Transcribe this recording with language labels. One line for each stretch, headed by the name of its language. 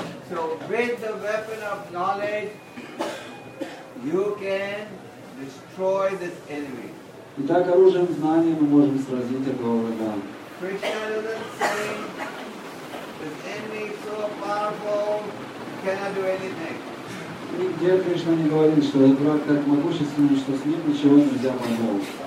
English: So with the weapon of knowledge, you can fade the destroy this enemy.
Russian: Итак, оружием знания мы можем сразить этого врага.
English: Krishna doesn't say this enemy is so powerful, you cannot do anything.
Russian: Нигде Кришна не говорит, что этот враг так могущественный, что с ним ничего нельзя поделать.